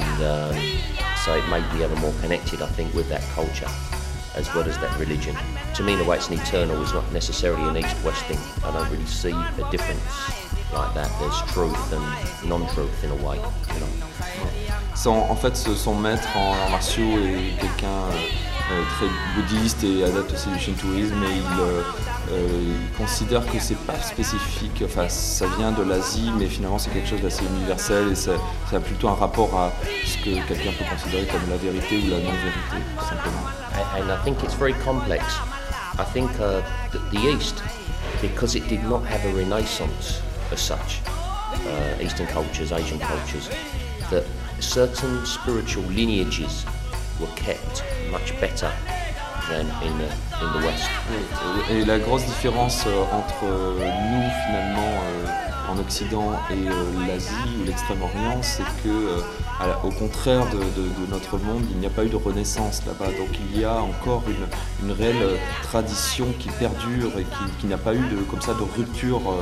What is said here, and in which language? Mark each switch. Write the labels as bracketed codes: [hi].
[en] And so it made me ever more connected, I think, with that culture as well as that religion. To me, in a way, it's an eternal, it's not necessarily an East-West thing. I don't really see a difference like that. There's truth and non-truth in a way, you know. [fr] En fait, son maître en arts martiaux est quelqu'un très bouddhiste et adepte aussi du shintoïsme, et il considère que c'est pas spécifique, enfin ça vient de l'Asie, mais finalement c'est quelque chose d'assez universel et ça a plutôt un rapport à ce que quelqu'un peut considérer comme la vérité ou la non-vérité, tout simplement. [en] And I think it's very complex. I think the East, because it did not have a renaissance as such, Eastern cultures, Asian cultures, that certain spiritual lineages were kept much better than in the West. [fr] Et la grosse différence entre nous finalement en Occident et l'Asie ou l'Extrême-Orient, c'est que au contraire de notre monde, il n'y a pas eu de renaissance là-bas. Donc il y a encore une réelle tradition qui perdure et qui n'a pas eu de comme ça de rupture.